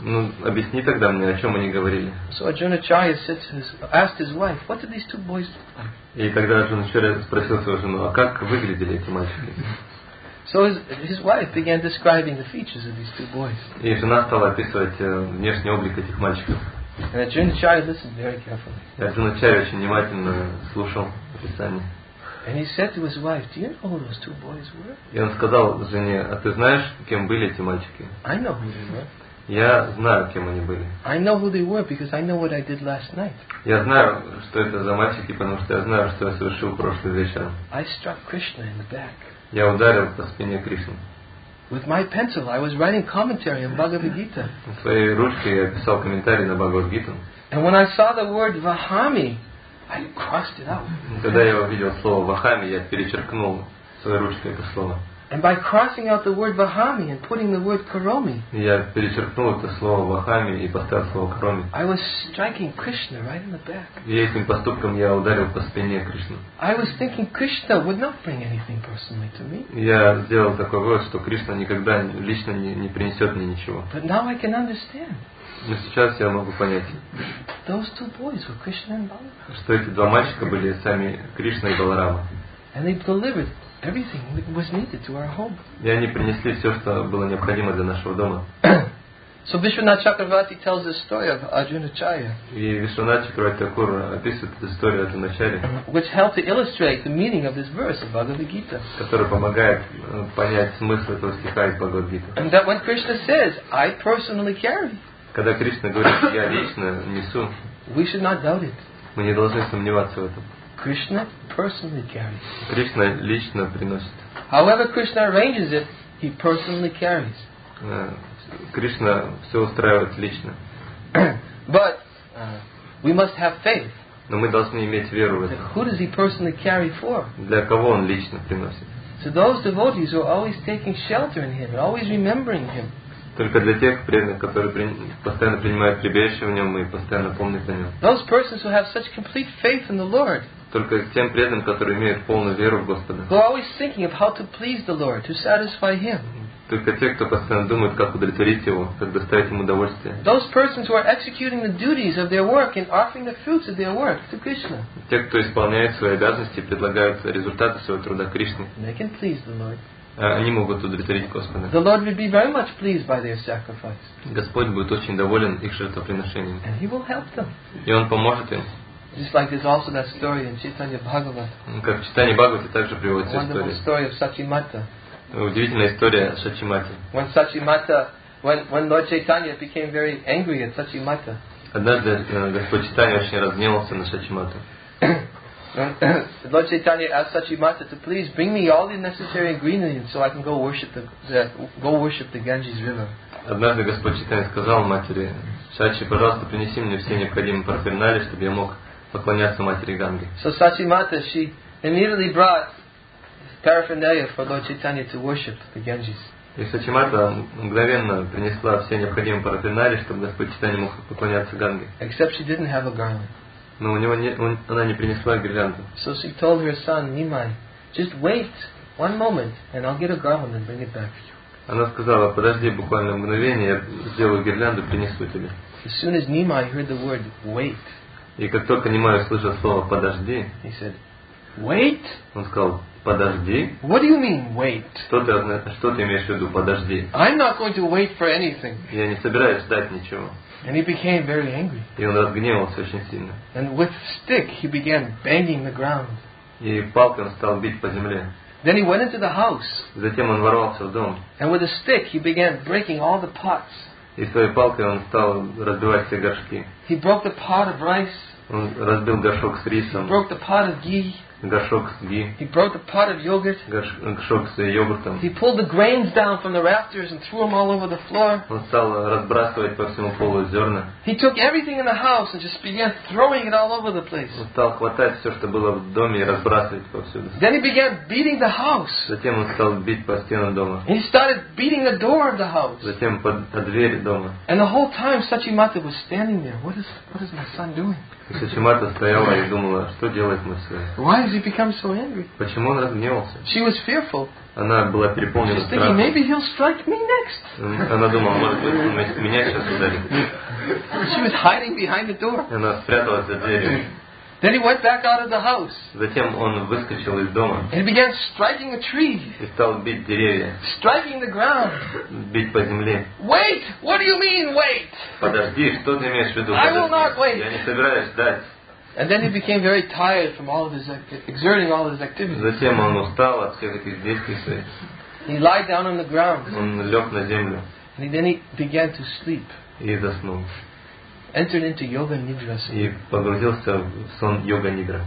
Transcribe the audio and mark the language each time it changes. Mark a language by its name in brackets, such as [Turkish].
[Russian] Ну, объясни тогда мне, о чем они говорили. [English] So Аджуначари asked his wife, what did these two boys look like? [Russian] И тогда Аджуначари спросил свою жену, а как выглядели эти мальчики? [English] So his wife began describing the features of these two boys. [Russian] И жена стала описывать внешний облик этих мальчиков. [English] And Аджуначари listened very carefully. [Russian] Аджуначари очень внимательно слушал описание. [English] And he said to his wife, "Do you know who those two boys were?" [Russian] И он сказал жене, а ты знаешь, кем были эти мальчики? [English] I know who they were. [Russian] Я знаю, кем они были. [English] I know who they were because I know what I did last night. [Russian] Я знаю, что это за мальчики, потому что я знаю, что я совершил прошлый вечер. [English] I struck Krishna in the back. [Russian] Я ударил по спине Кришну. [English] With my pencil, I was writing commentary on Bhagavad Gita. [Russian] Своей ручкой я писал комментарий на Бхагавад Гиту. [English] And when I saw the word Vahami, I crossed it out. [Russian] Когда я увидел слово Вахами, я перечеркнул своей ручкой это слово. [English] And by crossing out the word Vahami and putting the word Karomi, [Russian] я перечеркнул это слово Вахами и поставил слово Кроми. [English] I was striking Krishna right in the back. [Russian] И этим поступком я ударил по спине Кришну. [English] I was thinking Krishna would not bring anything personally to me. [Russian] Я сделал такой вывод, что Кришна никогда лично не принесет мне ничего. [English] But now I can understand. [Russian] Но сейчас я могу понять, [English] those two boys were Krishna and Balarama. [Russian] Что эти два мальчика были сами Кришна и Баларама. [English] And they delivered everything that was needed to our home. [Russian] И они принесли все, что было необходимо для нашего дома. [English] So Vishwanath Chakravarti tells the story of Arjunacharya. [Russian] И Вишванат Чакравартикур описывает эту историю от Арджуны. [English] Which helped to illustrate the meaning of this verse of Bhagavad Gita. [Russian] Которая помогает понять смысл этого стиха из Бхагавад Гиты. [English] And that when Krishna says, "I personally carry." [Russian] Когда Кришна говорит, я лично несу. [English] We should not doubt it. [Russian] Мы не должны сомневаться в этом. [English] Krishna personally carries. [Russian] Кришна лично приносит. [English] However Krishna arranges it, he personally carries. [Russian] Кришна все устраивает лично. [English] But we must have faith. [Russian] Но мы должны иметь веру в это. [English] Who does he personally carry for? [Russian] Для кого он лично приносит? [English] So those devotees who are always taking shelter in him, always remembering him. [Russian] Только для тех преданных, которые постоянно принимают прибежище в нем и постоянно помнят о нем. [English] Those persons who have such complete faith in the Lord. [Russian] Только тем преданным, которые имеют полную веру в Господа. [English] Who are always thinking of how to please the Lord, to satisfy Him. [Russian] Только те, кто постоянно думает, как удовлетворить его, как доставить ему удовольствие. [English] Those persons who are executing the duties of their work and offering the fruits of their work to Krishna. [Russian] Те, кто исполняет свои обязанности, предлагают результаты своего труда Кришне. [English] They can please the Lord. [Russian] Они могут удовлетворить Господа. [English] The Lord will be very much pleased by their sacrifice. [Russian] Господь будет очень доволен их жертвоприношением. [English] And He will help them. [Russian] И Он поможет им. [English] Just like there's also that story in Chaitanya Bhagavat. [Russian] Как в Читании Бхагавате также приводится история. [English] Wonderful story of Сачимата. [Russian] Удивительная история о Сачимате. [English] When Сачимата, when Lord Chaitanya became very angry at Сачимата. [Russian] Однажды Господь Читания очень разгневался на Сачимату. [English] Lord Chaitanya asked Sachimata to please bring me all the necessary ingredients so I can go worship the Ganges River. [Russian] Однажды Господь Читания сказал матери, Сачи, пожалуйста, принеси мне все необходимые парафернали, чтобы я мог поклоняться матери Ганге. [English] So Сачимата, she immediately brought paraphernalia for Lord Chaitanya to worship the Ganges. [Russian] И Сачимата мгновенно принесла все необходимые парафернали, чтобы Господь Читания мог поклоняться Ганге. [English] Except she didn't have a garland. [Russian] Но у него не, он, она не принесла гирлянду. [English] So she told her son, Nimai, just wait one moment and I'll get a garland and bring it back for you. [Russian] Она сказала, подожди буквально мгновение, я сделаю гирлянду, принесу тебе. [English] As soon as Nimai heard the word wait. [Russian] И как только Nimai услышал слово подожди. [English] He said, wait? [Russian] Он сказал, подожди. [English] What do you mean wait? [Russian] Что ты имеешь в виду, подожди? [English] I'm not going to wait for anything. [Russian] Я не собираюсь ждать ничего. [English] And he became very angry. [Russian] И он разгневался очень сильно. [English] And with stick he began banging the ground. [Russian] И палкой он стал бить по земле. [English] Then he went into the house. [Russian] Затем он ворвался в дом. [English] And with a stick he began breaking all the pots. [Russian] И своей палкой он стал разбивать все горшки. [English] He broke the pot of rice. [Russian] Он разбил горшок с рисом. [English] He broke the pot of ghee. [Russian] Горшок с ги. [English] He broke the pot of yogurt. [Russian] Горшок с йогуртом. [English] He pulled the grains down from the rafters and threw them all over the floor. [Russian] Он стал разбрасывать по всему полу зерна. [English] He took everything in the house and just began throwing it all over the place. [Russian] Он стал хватать все, что было в доме, и разбрасывать повсюду. [English] Then he began beating the house. [Russian] Затем он стал бить по стенам дома. [English] He started beating the door of the house. [Russian] Затем по двери дома. [English] And the whole time Сачимата was standing there. What is my son doing? [Russian] Сачимата стояла и думала, что делает мой сын. [English] Why has he become so angry? [Russian] Почему он разгневался? [English] She was fearful. [Russian] Она была переполнена страхом. [English] She's thinking, maybe he'll strike me next. [Russian] Она думала, может быть, меня сейчас ударит. [English] She was hiding behind the door. [Russian] Она спряталась за дверью. [English] Then he went back out of the house. [Russian] Затем он выскочил из дома. [English] And he began striking a tree. [Russian] И стал бить деревья. [English] Striking the ground. [Russian] Бить по земле. [English] Wait! What do you mean, wait? [Russian] Подожди, что ты имеешь в виду? [English] I will not wait. [Russian] Я не собираюсь ждать. [English] And then he became very tired from all of his exerting all of his activities. [Russian] Затем он устал от всех этих действий своих. [English] He lied down on the ground. [Russian] Он лег на землю. [English] And then he began to sleep. [Russian] И заснул. [English] Entered into yoga nidra. [Russian] И погрузился в сон йога нидра.